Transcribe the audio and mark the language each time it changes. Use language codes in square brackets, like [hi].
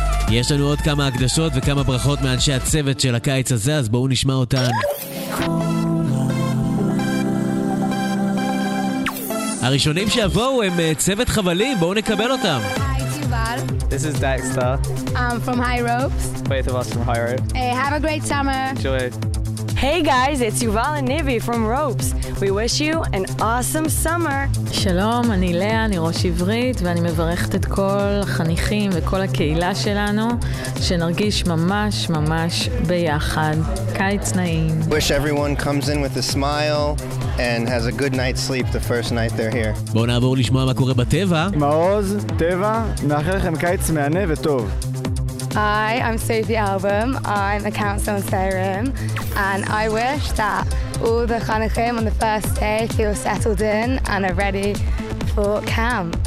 [he] יש לנו עוד כמה הקדשות וכמה ברכות מאנשי הצוות של הקיץ הזה, אז בואו נשמע אותן. הראשונים שיבואו הם צוות חבלים, בואו נקבל אותם. [en] This is Dexter. From High Ropes. Both of us from High Ropes. Hey, have a great summer. Enjoy. Hey guys, it's Yuval and Nivi from Ropes. We wish you an awesome summer. [he] שלום, אני לאה, אני ראש עברית, ואני מברכת את כל החניכים וכל הקהילה שלנו, שנרגיש ממש ממש ביחד. קיץ נעים. [en] Wish everyone comes in with a smile and has a good night's sleep the first night they're here. [he] בואו נעבור לשמוע מה קורה בטבע. מעוז, טבע, נאחל לכם קיץ מענה וטוב. [en] Hi, I'm Sophie Album. I'm a counselor on Serum. And I wish that all the chanukim on the first day feel settled in and are ready for camp.